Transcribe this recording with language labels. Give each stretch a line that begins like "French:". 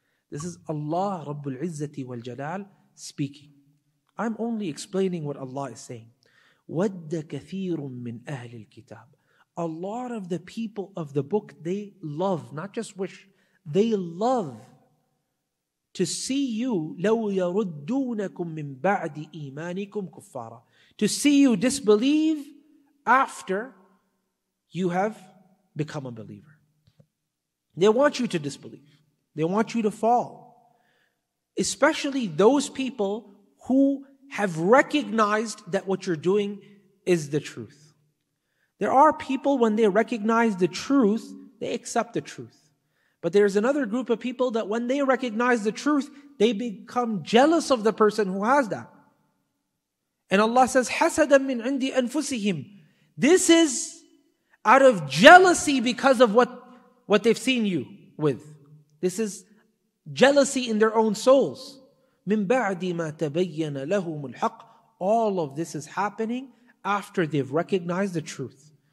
English: This is Allah Rabbul Izzati wal Jalal speaking. I'm only explaining what Allah is saying.
Arabic: Wadda kathirun min ahli al-kitab.
English: A lot of the people of the book, they love, not just wish, they love to see you.
Arabic: لو يردونكم من بعد إيمانكم كفارا.
English: To see you disbelieve after you have become a believer. They want you to disbelieve. They want you to fall. Especially those people who have recognized that what you're doing is the truth. There are people when they recognize the truth, they accept the truth. But there's another group of people that when they recognize the truth, they become jealous of the person who has that. And Allah says,
Arabic: حَسَدًا مِّنْ عِنْدِ أَنفُسِهِمْ.
English: This is out of jealousy because of what they've seen you with. This is jealousy in their own souls.
Arabic: مِن بَعْدِ مَا تَبَيَّنَ لَهُمُ الْحَقِّ.
English: All of this is happening after they've recognized the truth.